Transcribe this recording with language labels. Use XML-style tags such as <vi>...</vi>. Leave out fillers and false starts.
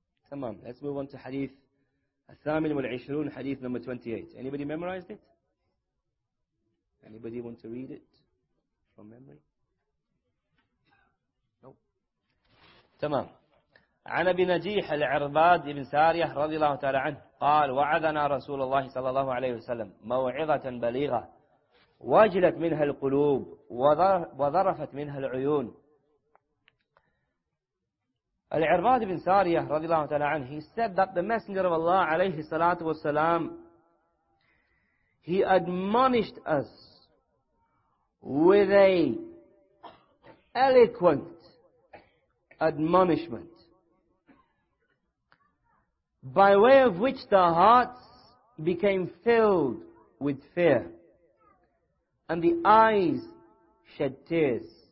<en>Tamam. Let's move on to hadith.</en> <ar>Al-Thamin wal-Ishroon,</ar> <en>hadith number 28. Anybody memorized it? Anybody want to read it from memory? Nope. Tamam.</en> <ar>عن أبي نجيح العرباد بن سارية رضي الله تعالى عنه قال وعذنا رسول الله صلى الله عليه وسلم موعظة بليغة وجلت منها القلوب وظرفت منها العيون.</ar> <en>العرباد بن سارية رضي الله تعالى عنه, he said that the messenger of Allah عليه الصلاة والسلام, he admonished us with an eloquent admonishment by way of which the hearts became filled with fear and the eyes shed tears.</en>